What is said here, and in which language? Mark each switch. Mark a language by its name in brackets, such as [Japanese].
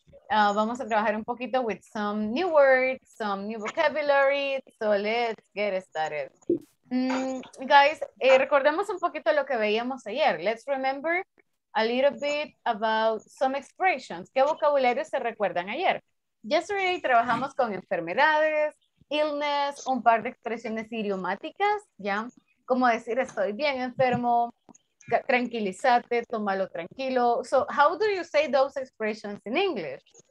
[Spanish] Vamos a trabajar un poquito [English] with some new words, some new vocabulary. So let's get started. [Spanish] Guys, recordemos un poquito lo que veíamos ayer. [English] Let's remember a little bit about some expressions. [Spanish] ¿Qué vocabulario se recuerdan ayer? Yesterday trabajamos con enfermedades, illness, un par de expresiones idiomáticas, ¿ya? Como decir estoy bien enfermo, tranquilízate, tómalo tranquilo. [English] So, how do you say those expressions in English?